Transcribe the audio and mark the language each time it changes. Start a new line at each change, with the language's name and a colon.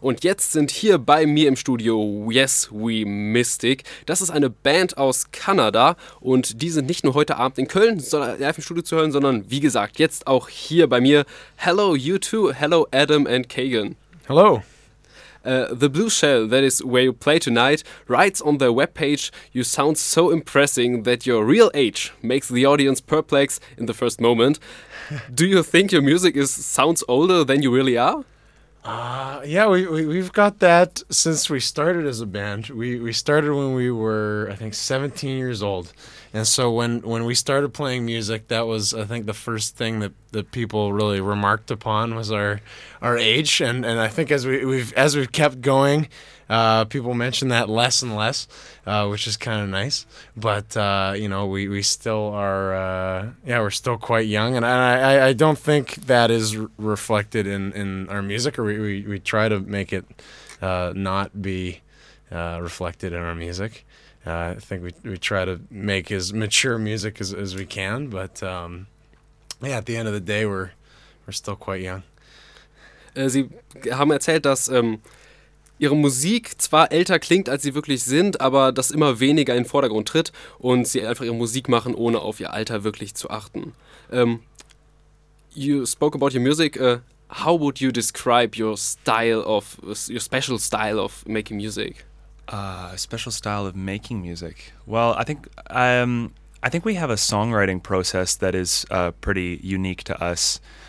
German: Und jetzt sind hier bei mir im Studio Yes We Mystic. Das ist eine Band aus Kanada und die sind nicht nur heute Abend in Köln, sondern live im Studio zu hören, sondern wie gesagt, jetzt auch hier bei mir.
English: Hello you too. Hello Adam and Kagan. Hello. The Blue Shell, that is where you play tonight, writes on their webpage, you sound so impressing that your real age makes the audience perplex in the first moment. Do you think your music sounds older than you really are? Yeah, we've got that since we started as a band. We started when we were, I think, 17 years old. And so when we started playing music, that was, I think, the first thing that people really remarked upon was our age. And I think as we've kept going, people mention that less and less, which is kind of nice. But, you know, we still are, we're still quite young. And I don't think that is reflected in our music, or we try to make it not be reflected in our music. I think we try to make as mature music as we can, but at the end of the day, we're still quite young.
German: Sie haben erzählt, dass ihre Musik zwar älter klingt, als sie wirklich sind, aber dass immer weniger in den Vordergrund tritt und sie einfach ihre Musik machen, ohne auf ihr Alter wirklich zu achten.
English: You spoke about your music. How would you describe your special style of making music? A special style of making music. Well, I think we have a songwriting process that is pretty unique to us.